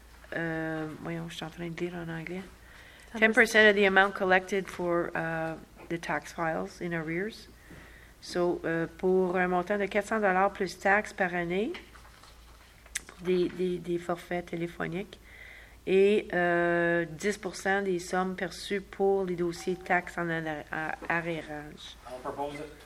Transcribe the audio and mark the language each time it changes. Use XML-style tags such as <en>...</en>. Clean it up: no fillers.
<fr>Voyons, je suis en train de dire en anglais.</fr> <en>10% of the amount collected for the tax files in arrears.</en> <fr>So, pour un montant de $400 plus taxes par année, des forfaits téléphoniques, et 10% des sommes perçues pour les dossiers de taxes en arrière-âge.</fr> <en>I'll propose it.</en>